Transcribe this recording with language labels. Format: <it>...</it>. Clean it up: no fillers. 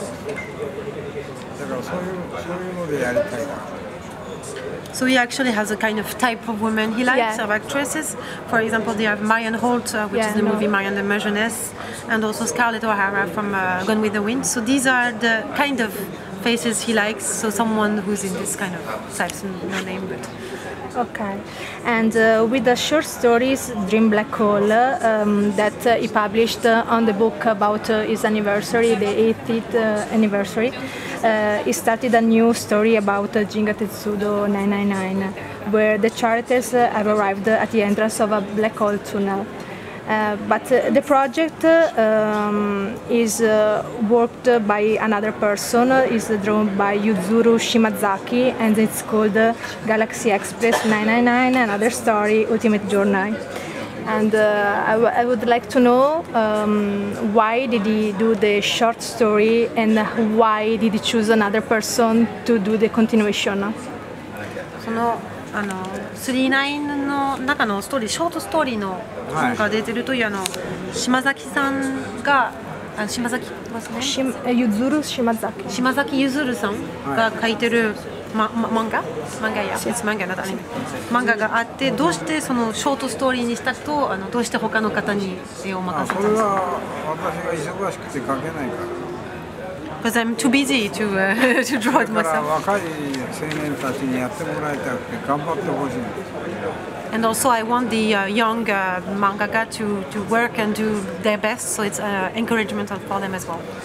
<ja>だからそういうのでやりたいな。</ja> <en>So he actually has a kind of type of women he likes, yeah. of actresses. For example, they have Marion Holt, which is the movie Marion the Marchioness, and also Scarlett O'Hara from Gone with the Wind. So these are the kind of faces he likes, so someone who's in this kind of type, no name. But. Okay. And with the short stories, Dream Black Hole, that he published on the book about his anniversary, the 80th anniversary, he started a new story about Jinga Tetsudo 999, where the characters have arrived at the entrance of a black hole tunnel. But the project is worked by another person, is drawn by Yuzuru Shimazaki, and it's called Galaxy Express 999, Another Story, Ultimate Journey. And I would like to know why did he do the short story and why did he choose another person to do the continuation?</en> <ja>その39の中のストーリー、ショートストーリーの本が出てるという、はい、島崎さんが、島崎、ゆずる島崎。島崎ゆずるさんが書いてる漫画?漫画や?</ja> <en>Yes.</en> <ja>マンガや、漫画や、別に漫画なんだね。漫画があって、どうしてそのショートストーリーにしたと、どうして他の方に絵を任せたの?それは私が忙しくて描けないから。</ja> <en>Because I'm too busy to to draw it myself.</en> <ja>だから若い青年たちにやってもらいたくて頑張ってほしい。And</ja> <en>also I want the young mangaka to work and do their best, so it's an encouragement for them as well.</en>